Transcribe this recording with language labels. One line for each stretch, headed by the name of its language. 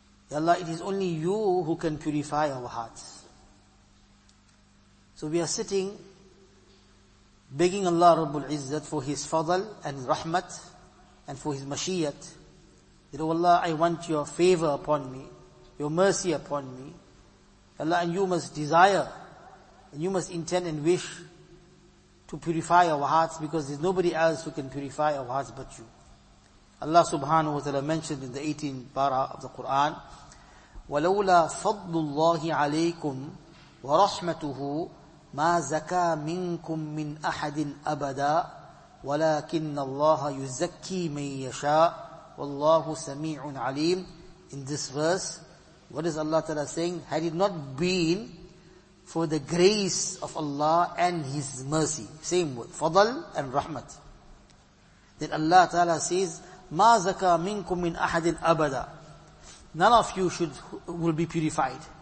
English: Ya Allah, it is only you who can purify our hearts. So we are sitting, begging Allah Rabbul Izzat for his fadl and rahmat, and for his mashiyat. That, oh Allah, I want your favor upon me, your mercy upon me. Ya Allah, and you must desire, and you must intend and wish to purify our hearts, because there's nobody else who can purify our hearts but you.
Arabic: Allah subhanahu wa ta'ala mentioned in the 18th para of the Quran, وَلَوْلَا فَضْلُ اللَّهِ عَلَيْكُمْ وَرَحْمَتُهُ مَا زَكَى مِنْكُمْ مِنْ أَحَدٍ أَبَدًا وَلَكِنَّ اللَّهَ يُزَكِّي مَنْ يَشَاءُ وَاللَّهُ سَمِيعٌ عَلِيمٌ.
English: In this verse, what is Allah ta'ala saying? Had it not been for the grace of Allah and His mercy, same word, fadl and rahmat, then Allah ta'ala says,
Arabic: مَا زَكَى مِنْكُمْ مِنْ أَحَدٍ أَبَدًا,
English: none of you will be purified.